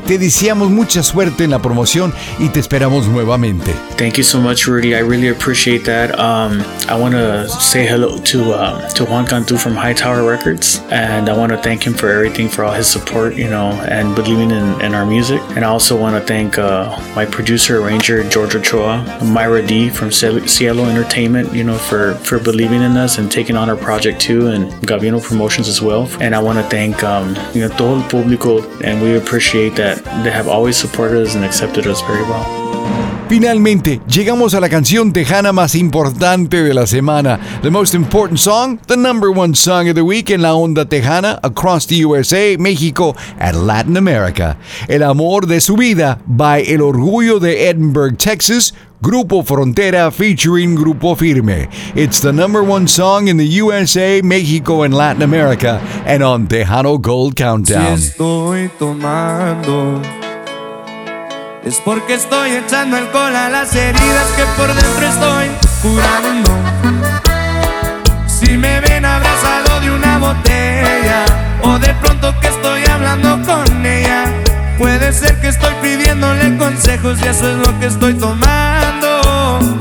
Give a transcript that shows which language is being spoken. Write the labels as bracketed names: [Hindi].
[Spanish] Te deseamos mucha suerte en la promoción y te esperamos nuevamente. [English] Thank you so much, Rudy. I really appreciate that. I want to say hello to Juan Cantu from Hightower Records, and I want to thank him for everything, for all his support, you know, and believing in our music. And I also want to thank my producer, arranger, George Ochoa, Ira D from Cielo Entertainment, you know, for believing in us and taking on our project too, and Gabino Promotions as well. And I want to thank you know, [Spanish] todo el público, [English] and we appreciate that they have always supported us and accepted us very well. [Spanish] Finalmente, llegamos a la canción tejana más importante de la semana. [English] The most important song, the number one song of the week [Spanish] en la onda tejana [English] across the USA, México, and Latin America. [Spanish] El Amor de Su Vida by El Orgullo de Edinburgh, Texas, Grupo Frontera featuring Grupo Firme. [English] It's the number one song in the USA, Mexico, and Latin America, and on Tejano Gold Countdown. [Spanish] Si estoy tomando, es porque estoy echando alcohol a las heridas que por dentro estoy curando. Si me ven abrazado de una botella, o de pronto que estoy hablando con ella, puede ser que estoy pidiéndole consejos y eso es lo que estoy tomando.